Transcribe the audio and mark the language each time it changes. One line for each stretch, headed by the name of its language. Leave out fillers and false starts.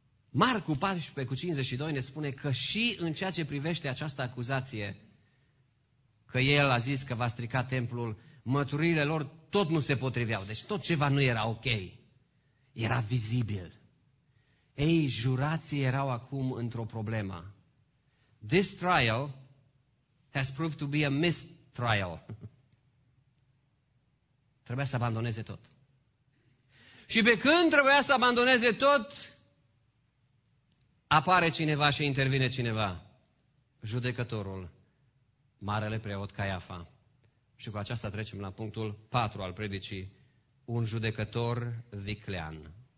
Romanian: Marcu 14 cu 52 ne spune că și în ceea ce privește această acuzație, că el a zis că va strica templul, măturile lor tot nu se potriveau, deci tot ceva nu era ok. Era vizibil. Ei, jurații erau acum într-o problemă.
English: This trial has proved to be a mistrial.
Romanian: Trebuia să abandoneze tot. Și pe când trebuia să abandoneze tot, apare cineva și intervine cineva. Judecătorul, marele preot Caiafa. Și cu aceasta trecem la punctul 4 al predicii. Un judecător viclean.